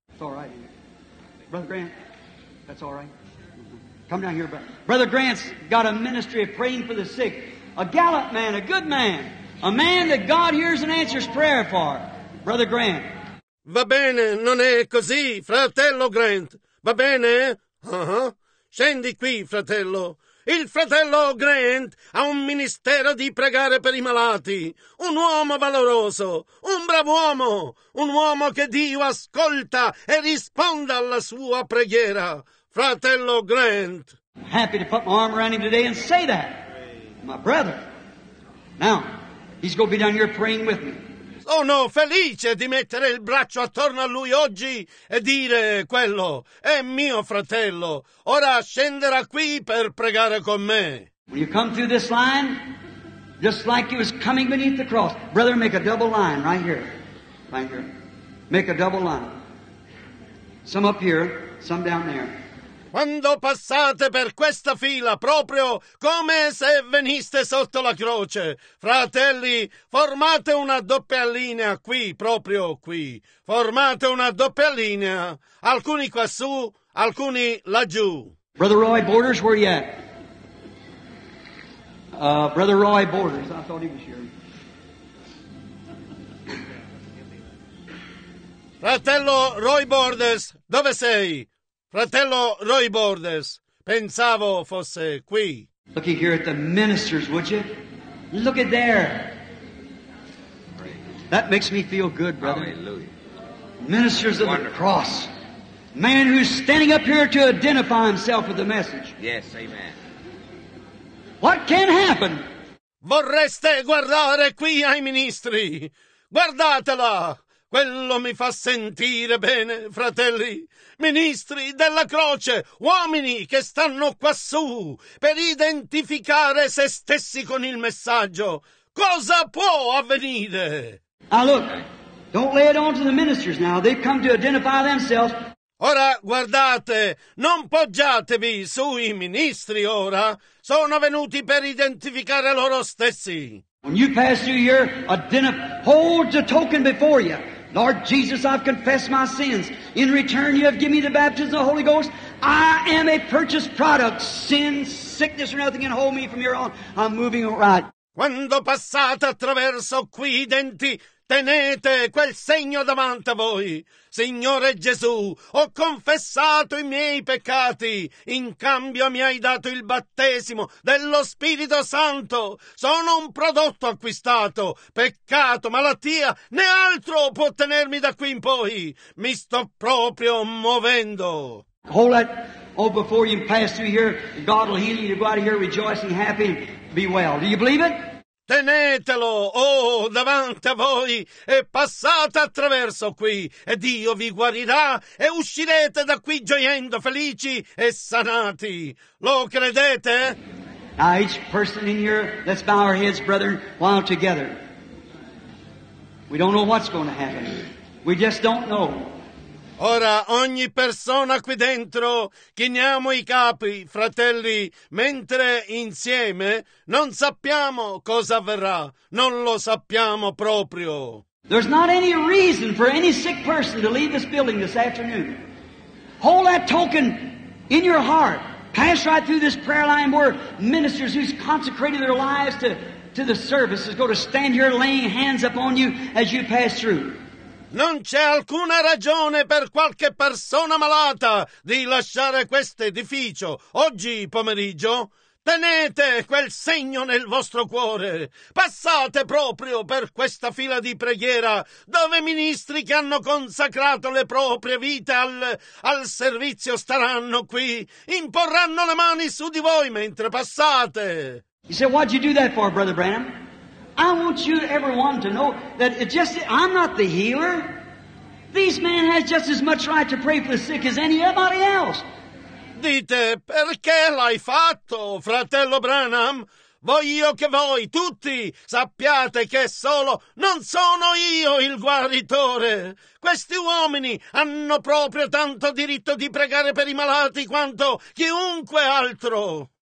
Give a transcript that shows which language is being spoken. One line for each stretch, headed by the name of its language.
English: It's all right. Brother Grant, that's all right. Come down here, brother. Brother Grant's got a ministry of praying for the sick. A gallant man, a good man. A man that God hears and answers prayer for. Brother Grant.
Italian: Va bene, non è così, fratello Grant. Va bene? Scendi qui, fratello. Il fratello Grant ha un ministero di pregare per i malati. Un uomo valoroso, un bravo uomo. Un uomo che Dio ascolta e risponda alla sua preghiera. Fratello Grant.
English: I'm happy to put my arm around him today and say that. My brother. Now, he's going to be down here praying with me.
Italian: Sono felice di mettere il braccio attorno a lui oggi e dire quello. È mio fratello. Ora scenderà qui per pregare con me.
English: When you come through this line, just like he was coming beneath the cross, brother, make a double line right here. Right here. Make a double line. Some up here, some down there.
Italian: Quando passate per questa fila, proprio come se veniste sotto la croce, fratelli, formate una doppia linea qui, proprio qui. Formate una doppia linea, alcuni quassù, alcuni laggiù.
English: Brother Roy Borders, where are you at? Brother Roy Borders, I thought he was here.
Italian: Fratello Roy Borders, dove sei? Fratello Roy Borders, pensavo fosse qui.
English: Look here at the ministers, would you? Look at there. That makes me feel good, brother. Hallelujah. Ministers of the cross. Man who's standing up here to identify himself with the message. Yes, amen. What can happen?
Italian: Vorreste guardare qui ai ministri? Guardatela! Quello mi fa sentire bene, fratelli. Ministri della croce, uomini che stanno quassù per identificare se stessi con il messaggio. Cosa può avvenire?
English: Now look, don't lay it on to the ministers now. They've come to identify themselves.
Italian: Ora guardate, non poggiatevi sui ministri ora. Sono venuti per identificare loro stessi.
English: When you pass through here, hold the token before you. Lord Jesus, I've confessed my sins. In return, you have given me the baptism of the Holy Ghost. I am a purchased product. Sin, sickness, or nothing can hold me from here on. I'm moving right.
Italian: Quando passate attraverso qui i denti, tenete quel segno davanti a voi. Signore Gesù, ho confessato i miei peccati. In cambio mi hai dato il battesimo dello Spirito Santo. Sono un prodotto acquistato. Peccato, malattia, né altro può tenermi da qui in poi. Mi sto proprio muovendo.
English: Hold it. Oh, before you pass through here, God will heal you to go out of here rejoicing, happy, and be well. Do you believe it?
Italian: Tenetelo, oh, davanti a voi e passate attraverso qui e Dio vi guarirà e uscirete da qui gioiendo, felici e sanati. Lo credete?
English: Now each person in here, let's bow our heads, brethren, while together. We don't know what's going to happen. We just don't know.
Italian: Ora, ogni persona qui dentro, chiniamo i capi, fratelli, mentre insieme non sappiamo cosa avverrà, non lo sappiamo proprio.
English: There's not any reason for any sick person to leave this building this afternoon. Hold that token in your heart. Pass right through this prayer line where ministers who's consecrated their lives to the service is going to stand here laying hands upon you as you pass through.
Italian: Non c'è alcuna ragione per qualche persona malata di lasciare questo edificio oggi pomeriggio. Tenete quel segno nel vostro cuore. Passate proprio per questa fila di preghiera dove ministri che hanno consacrato le proprie vite al servizio staranno qui. Imporranno le mani su di voi mentre passate.
English: He said, what'd you do that for, Brother Branham? I want you, everyone, to know that it just I'm not the healer. This man has just as much right to pray for the sick as anybody else.
Italian: Dite, perché l'hai fatto, fratello Branham? Voglio che voi tutti sappiate che solo non sono io il guaritore. Questi uomini hanno proprio tanto diritto di pregare per i malati quanto chiunque altro.